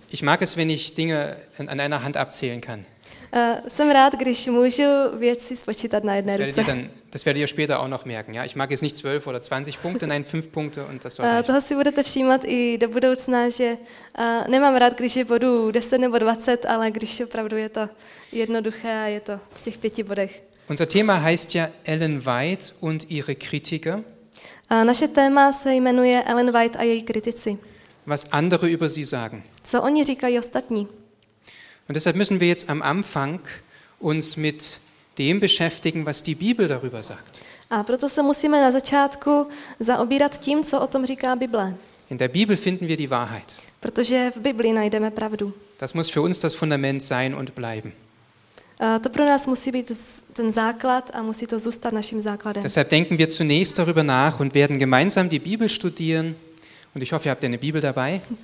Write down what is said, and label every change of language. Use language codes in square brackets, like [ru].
[de] Ich mag es, wenn ich Dinge an einer Hand abzählen kann. [cs] Jsem rád, když můžu věci spočítat na jedné ruce. [de] Das werdet ihr später auch noch merken, ja? Ich mag jetzt nicht 12 oder 20 Punkte, nein, 5 Punkte und das soll reichen. [cs] Toho si budete všímat i do budoucna, že nemám rád, když je bodů 10 nebo 20, ale když opravdu je to jednoduché a je to v těch 5 bodech. [de] Unser Thema heißt ja Ellen White und ihre Kritiker. [cs] Naše téma se jmenuje Ellen White a její kritici. [de] Was andere über sie sagen. [cs] Co oni říkají ostatní. [de] Und deshalb müssen wir jetzt am Anfang uns mit dem beschäftigen, was die Bibel darüber sagt. [cs] A proto se musíme na začátku zaobírat tím, co o tom říká Bible. [de] In der Bibel finden wir die Wahrheit. [cs] Protože v Biblii najdeme pravdu. [de] Das muss für uns das Fundament sein und bleiben. [cs] To pro nás musí být ten základ a musí to zůstat naším základem. [de] Deshalb denken wir zunächst darüber nach und werden gemeinsam die Bibel studieren. Und ich hoffe, ihr habt eine Bibel dabei.